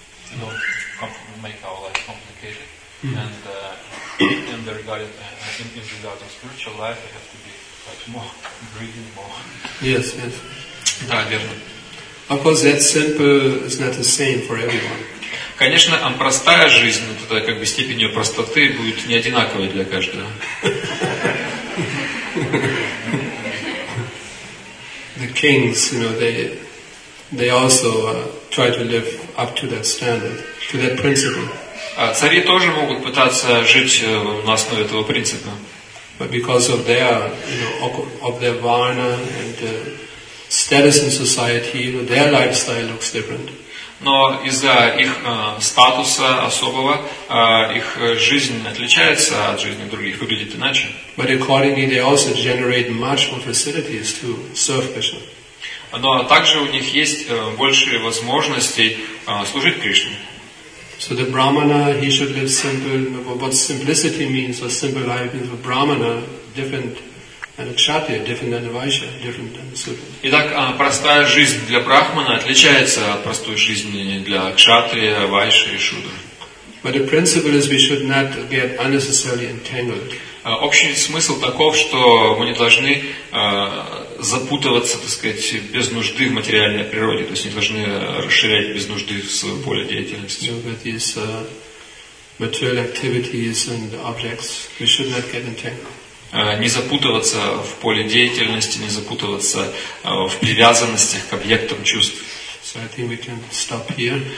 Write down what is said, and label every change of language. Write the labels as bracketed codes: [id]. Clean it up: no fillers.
[en] We don't make our life complicated. And in regard of spiritual life, we have to be much more breathing more. Yes, yes. [ru] Да, верно. [en] Of course, that simple is not the same for everyone. [ru] Конечно, простая жизнь, вот эта как бы степень ее простоты будет не одинаковой для каждого. [en] The kings, you know, they also try to live up to that standard, to that principle. [ru] Цари тоже могут пытаться жить на основе этого принципа. [en] But because of their, you know, of their varna and status in society, you know, their lifestyle looks different. [ru] Но из-за их статуса особого, их жизнь отличается от жизни других, выглядит иначе. [en] But accordingly, they also generate much more facilities to serve Krishna. [ru] Но также у них есть большие возможности служить Кришне. [en] So the Brahmana, he should live simple. What simplicity means, or simple life means for Brahmana, different. And a kshatriya, different than a vaishya, different than a sutra. [ru] Итак, простая жизнь для брахмана отличается от простой жизни для кшатрия, вайши и шудры. [en] But the principle is we should not get unnecessarily entangled. [ru] Общий смысл таков, что мы не должны запутываться, так сказать, без нужды в материальной природе, то есть не должны расширять без нужды свое поле деятельности. [en] You know, but these material activities and objects, we should not get entangled. [ru] Не запутываться в поле деятельности, не запутываться в привязанностях к объектам чувств. [en] So I think we can stop here.